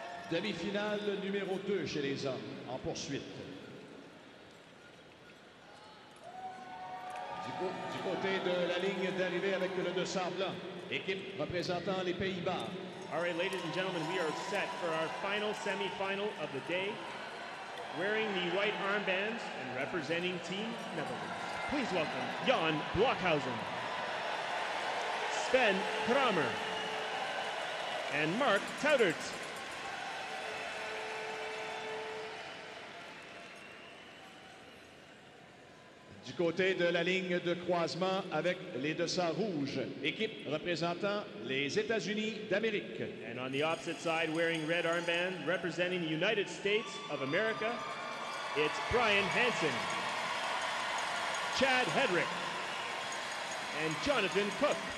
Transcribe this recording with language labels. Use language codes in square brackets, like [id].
[fr] demi-finale numéro 2 chez les hommes en poursuite. Du côté de la ligne d'arrivée avec le 200 blanc, équipe représentant les Pays-Bas. [en] All right, ladies and gentlemen, we are set for our final semi-final of the day. Wearing the white armbands and representing Team Netherlands, please welcome Jan Blokhuizen, Sven Kramer, and Mark Tuitert. [fr] Du côté de la ligne de croisement avec les 200 rouges, équipe représentant les États-Unis d'Amérique. [en] And on the opposite side, wearing red armband, representing the United States of America, it's Brian Hansen, Chad Hedrick, and Jonathan Cook.